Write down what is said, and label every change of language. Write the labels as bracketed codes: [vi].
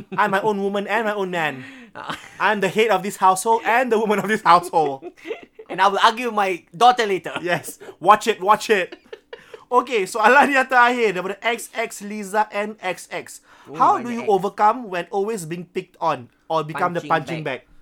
[en] I'm my own woman and my own man. I'm the head of this household and the woman of this household. And I will argue with my daughter later. Yes. Watch it. [ms] Okay, soalan yang terakhir daripada XX Liza NXX. [en] How do you overcome when always being picked on or become punching the punching bag?